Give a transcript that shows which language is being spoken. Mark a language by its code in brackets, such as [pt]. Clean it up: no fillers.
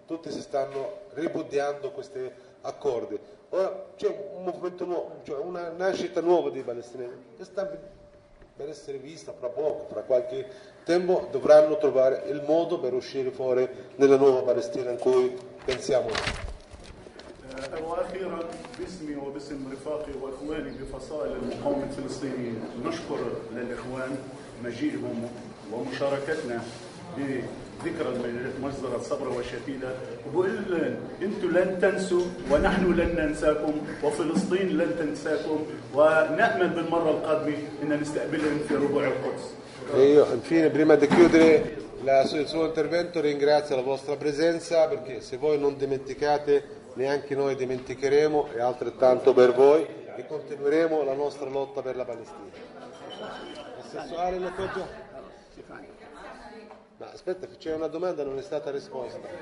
[it] Tutti si stanno ripudiando questi accordi. Ora c'è un movimento nuovo, cioè una nascita nuova dei palestinesi che sta per essere vista fra poco, fra qualche tempo, dovranno trovare il modo per uscire fuori nella nuova Palestina in cui pensiamo. [ar] واخيرا باسمي وباسم رفاقي واخواني بفصائل القوم الفلسطينيين نشكر للاخوان مجيئهم ومشاركتنا بذكرى مجزرة صبرا وشتيلة، وبقول انتم لن تنسوا ونحن لن ننساكم وفلسطين لن تنساكم، ونامل بالمره القادمه ان نستقبلهم في ربوع القدس. ايوه فين [it] prima di chiudere la suo intervento ringrazio la vostra presenza perché se voi non dimenticate neanche noi dimenticheremo e altrettanto per voi e continueremo la nostra lotta per la Palestina. Assessore, ma aspetta, c'è una domanda che non è stata risposta.